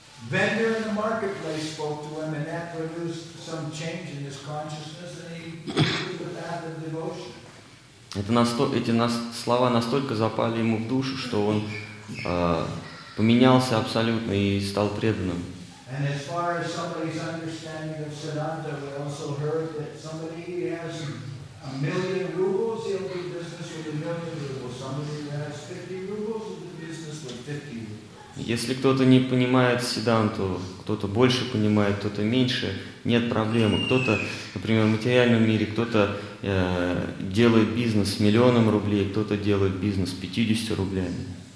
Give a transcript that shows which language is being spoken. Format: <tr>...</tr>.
<en>Vendor in the marketplace spoke to him, and that produced some change in his consciousness, and he took the path of devotion.</en> <ru>Эти слова настолько запали ему в душу, что он поменялся абсолютно и стал преданным.</ru> <en>And as far as somebody's understanding of Siddhanta, we also heard that somebody has a million rubles, he'll do business with a million rubles. Somebody has 50 rubles, he'll do business with 50 rubles.</en> <ru>Если кто-то не понимает Сиддханту, кто-то больше понимает, кто-то меньше, нет проблемы. Кто-то, например, в материальном мире, кто-то делает бизнес с миллионом рублей, кто-то делает бизнес с 50 рублями.</ru>